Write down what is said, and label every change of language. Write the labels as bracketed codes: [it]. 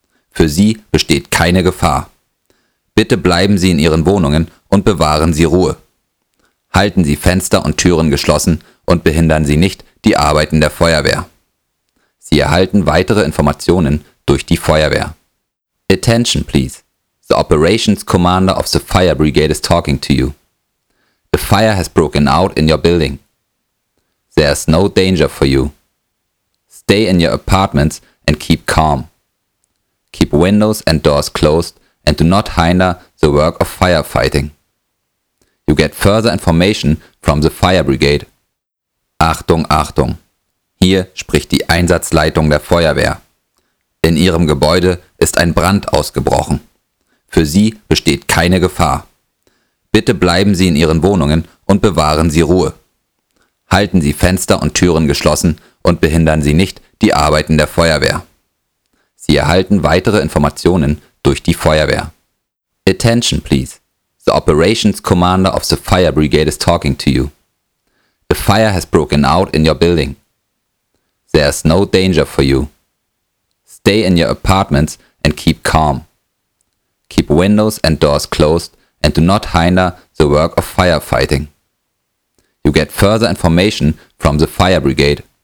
[de] Für Sie besteht keine Gefahr. Bitte bleiben Sie in Ihren Wohnungen und bewahren Sie Ruhe. Halten Sie Fenster und Türen geschlossen und behindern Sie nicht die Arbeiten der Feuerwehr. Sie erhalten weitere Informationen durch die Feuerwehr. [en] Attention, please. The Operations Commander of the Fire Brigade is talking to you. A fire has broken out in your building. There is no danger for you. Stay in your apartments and keep calm. Keep windows and doors closed and do not hinder the work of firefighting. You get further information from the fire brigade. [de] Achtung, Achtung! Hier spricht die Einsatzleitung der Feuerwehr. In Ihrem Gebäude ist ein Brand ausgebrochen. Für Sie besteht keine Gefahr. Bitte bleiben Sie in Ihren Wohnungen und bewahren Sie Ruhe. Halten Sie Fenster und Türen geschlossen und behindern Sie nicht die Arbeiten der Feuerwehr. Sie erhalten weitere Informationen durch die Feuerwehr. [en] Attention, please. The Operations Commander of the Fire Brigade is talking to you. A fire has broken out in your building. There is no danger for you. Stay in your apartments and keep calm. Keep windows and doors closed and do not hinder the work of firefighting. You get further information from the fire brigade.